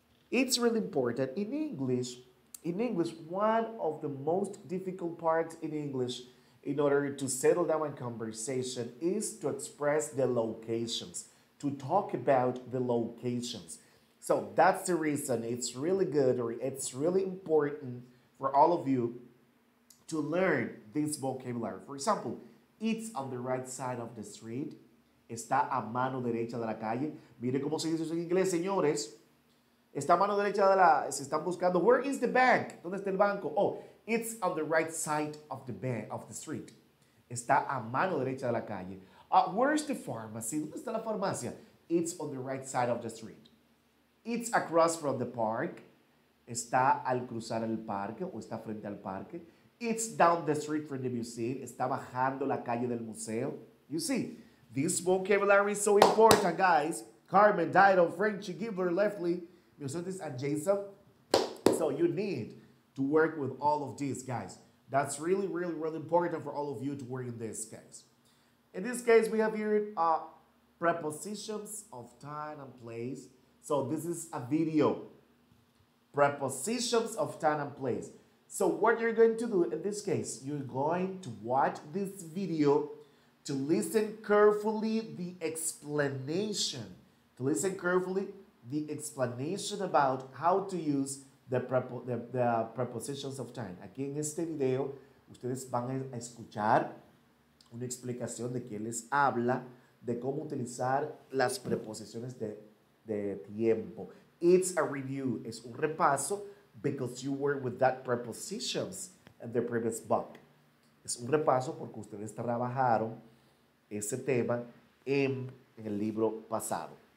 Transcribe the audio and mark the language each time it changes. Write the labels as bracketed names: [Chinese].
[English] It's really important in English. In English, one of the most difficult parts in English in order to settle down a conversation is to express the locations, to talk about the locations. So that's the reason it's really good, or it's really important for all of you to learn this vocabulary. For example, it's on the right side of the street. [Spanish] Está a mano derecha de la calle. Mire cómo se dice eso en inglés, señores. Está a mano derecha de la... Se están buscando. [English] Where is the bank? [Spanish] ¿Dónde está el banco? [English] Oh, it's on the right side of the bank, of the street. [Spanish] Está a mano derecha de la calle. [English] Where's the pharmacy? [Spanish] ¿Dónde está la farmacia? [English] It's on the right side of the street. It's across from the park. [Spanish] Está al cruzar el parque o está frente al parque. [English] It's down the street from the museum. [Spanish] Está bajando la calle del museo. [English] You see, this vocabulary is so important, guys. Carmen, Dido, Frenchie, Gibler, Leslie, Miosotis, and Jason. So you need to work with all of these, guys. That's really, really, really important for all of you to work in this case. In this case, we have here prepositions of time and place. So this is a video. Prepositions of time and place. So what you're going to do in this case, you're going to watch this video to listen carefully the explanation. To listen carefully the explanation about how to use the prepositions of time. [Spanish] Aquí en este video, ustedes van a escuchar una explicación de quién les habla de cómo utilizar las preposiciones de tiempo. [English] It's a review, [Spanish] es un repaso. [English] Because you were with that prepositions in the previous book. [Spanish] Es un repaso porque ustedes trabajaron ese tema en el libro pasado.